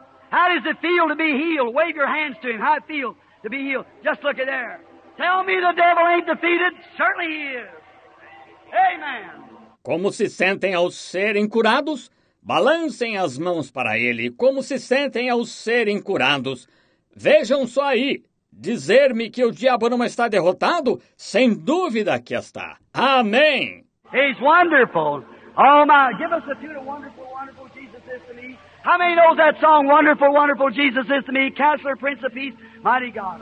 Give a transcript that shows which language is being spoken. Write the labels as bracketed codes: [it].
[en] How does it feel to be healed? Wave your hands to Him. How it feel to be healed? Just look at there. Tell me the devil ain't defeated. Certainly he is. Amen. [pt] Como se sentem ao serem curados? Balancem as mãos para Ele. Como se sentem ao serem curados? Vejam só aí, dizer-me que o diabo não está derrotado? Sem dúvida que está. Amém! [en] He's wonderful. Oh my, give us a tune of wonderful, wonderful Jesus is to me. How many knows that song, wonderful, wonderful Jesus is to me? Counselor, Prince of Peace, Mighty God.